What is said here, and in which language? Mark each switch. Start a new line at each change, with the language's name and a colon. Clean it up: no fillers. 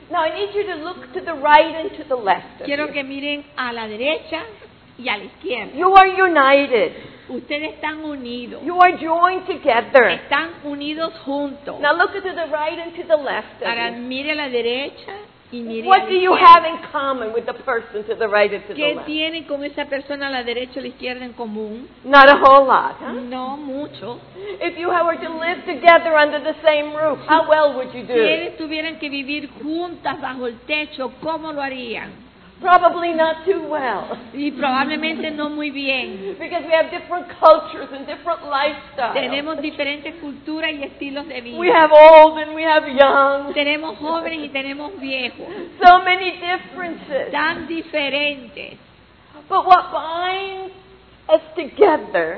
English: Now I need you to look to the right and to the left.
Spanish: Quiero que miren a la derecha y a la izquierda.
English: You are united.
Spanish: Ustedes están unidos.
English: You are joined together.
Spanish: Están unidos juntos.
English: Now look to the right and to the left.
Spanish: Ahora mire a la derecha.
English: What do you have in common with the person to the right and to the
Spanish: ¿qué
English: left?
Spanish: ¿Qué tiene con esa persona a la derecha o a la izquierda en común?
English: Not a whole lot, huh?
Spanish: No mucho.
English: If you were to live together under the same roof, how well would you do?
Spanish: Si ellos tuvieran que vivir juntas bajo el techo, ¿cómo lo harían?
English: Probably not too well.
Spanish: Y probablemente no muy bien.
English: Because we have different cultures and different lifestyles.
Spanish: Tenemos diferentes culturas y estilos de vida.
English: We have old and we have young.
Spanish: Tenemos jóvenes y tenemos viejos.
English: So many differences.
Spanish: Tan diferentes.
English: But what binds us together?